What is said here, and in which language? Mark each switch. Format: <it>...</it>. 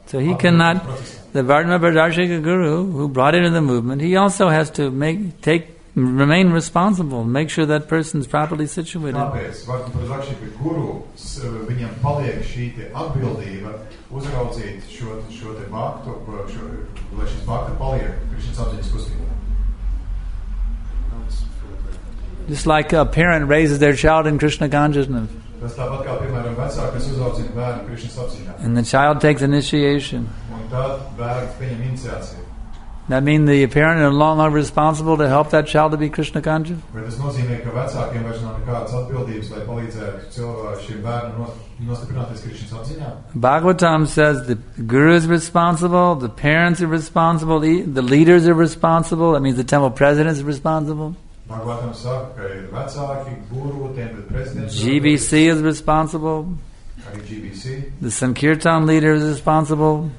<en>So he cannot, the Vartma Pradarshika Guru who brought into the movement, he also has to remain responsible, make sure that person is properly situated.</en> <lv>Tāpēc Vartma Pradarshika Guru viņam paliek šī te atbildība uzraudzīt šo te baktu, lai šis bakta paliek Krishna apziņas kustībā.</lv> <en>Just like a parent raises their child in Krishna consciousness.</en> <lv>Tas tāpat kā, piemēram, vecākas uzraudzīt bērnu Krishna apziņā.</lv> <en>And the child takes initiation.</en> <lv>Un tad bērns pieņem iniciāciju.</lv> <en>That means the parent is no longer responsible to help that child to be Krishna conscious?</en> <lv>Bet tas nozīmē, ka vecākiem vairs nav nekādas atbildības, lai palīdzētu šiem bērnu nostiprināties Krishna apziņā.</lv> <en>Bhagavatam says the guru is responsible, the parents are responsible, the leaders are responsible, that means the temple president is responsible.</en> <lv>Bhagavatam saka, ka ir vecāki, guru, temple president.</lv> <en>GBC is responsible. GBC. The Sankirtan leader is responsible.</en>